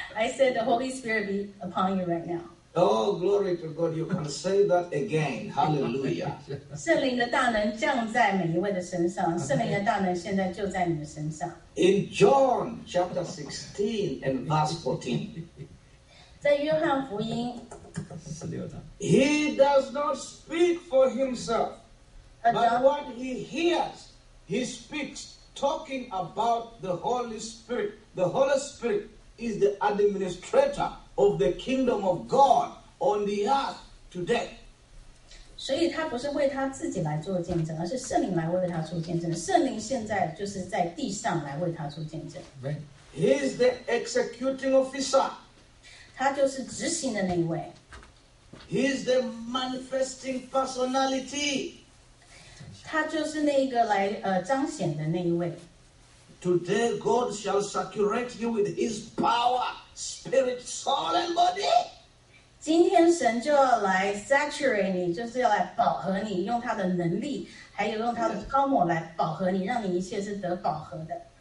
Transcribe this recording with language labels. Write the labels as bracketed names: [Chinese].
[English] I said the Holy Spirit be upon you right now. Oh, glory to God. You can say that again. Hallelujah. [Chinese] 圣灵的大能降在每一位的身上。圣灵的大能现在就在你们身上。 [English] In John chapter 16 and verse 14. [Chinese] 在约翰福音。 [English] He does not speak for himself, but what he hears, he speaks, talking about the Holy Spirit. The Holy Spirit is the administrator of the kingdom of God on the earth today. [Chinese] 所以他不是为他自己来做见证，而是圣灵来为他做见证。圣灵现在就是在地上来为他做见证。 [English] He is the executing officer. [Chinese] 他就是执行的那一位。 [English] He is the manifesting personality. [Chinese] 他就是那个来彰显的那一位。 [English] Today God shall saturate you with His power, spirit, soul, and body. [Chinese] 今天神就要来 saturate 你，就是要来饱和你，用他的能力，还有用他的高抹来饱和你，让你一切是得饱和的。